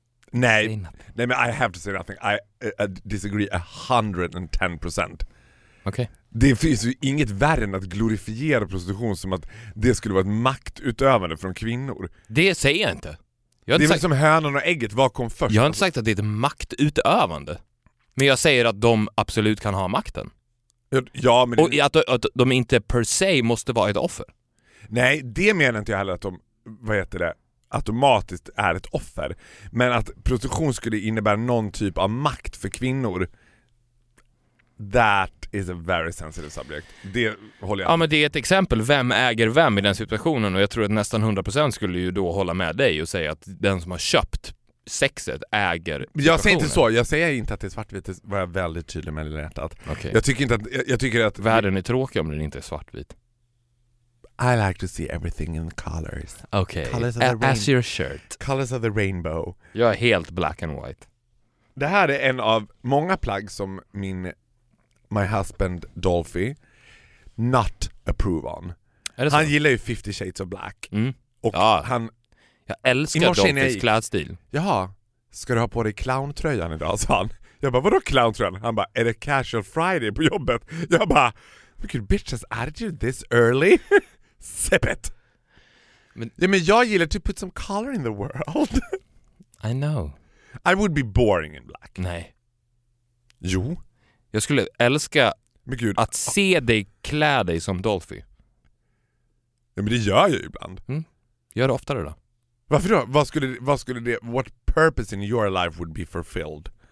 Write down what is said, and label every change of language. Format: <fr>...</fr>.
<sv>Nej, nej, men</sv> <en>I have to say nothing. I disagree 110%. Okay.</en> <sv>Det finns ju inget värre än att glorifiera prostitution som att det skulle vara ett maktutövande från kvinnor. Det säger jag inte. Jag har det inte är sagt... som hönan och ägget, vad kom först? Jag har inte sagt att det är ett maktutövande. Men jag säger att de absolut kan ha makten. Ja, men det... Och att de inte per se måste vara ett offer. Nej, det menar inte jag heller att de, vad heter det, automatiskt är ett offer. Men att prostitution skulle innebära någon typ av makt för kvinnor,</sv> <en>that is a very sensitive subject.</en> <sv>Det håller jag med. Ja, men det är ett exempel. Vem äger vem i den situationen? Och jag tror att nästan 100% skulle ju då hålla med dig och säga att den som har köpt sexet äger situationen. Jag säger inte så. Jag säger inte att det är svartvitt. Var jag väldigt tydlig med det hjärtat. Okay. Jag tycker inte att, jag tycker att... Världen är tråkig om den inte är svartvit.</sv> <en>I like to see everything in colors. Okay. Colors of the as your shirt. Colors of the rainbow.</en> <sv>Jag är helt</sv> <en>black and white.</en> <sv>Det här är en av många plagg som min...</sv> <en>My husband Dolphy not approve on.</en> <sv>Han gillar ju 50 Shades of Black. Mm. Och ja. Han... Jag älskar Dolphys klädstil. Jaha, ska du ha på dig clowntröjan idag? Sa han. Jag bara, vadå clowntröjan? Han bara, är det casual Friday på jobbet? Jag bara, vilken</sv> <en>bitches attitude this early? Sip it. Men...</en> <sv>Ja, men jag gillar</sv> <en>to put some color in the world. I know. I would be boring in black.</en> <sv>Nej. Jo. Jag skulle älska att se dig klä dig som Dolphy. Ja, men det gör jag ju ibland. Mm. Gör det oftare då. Varför då? Vad skulle det,</sv> <en>what purpose in your life would be fulfilled?</en>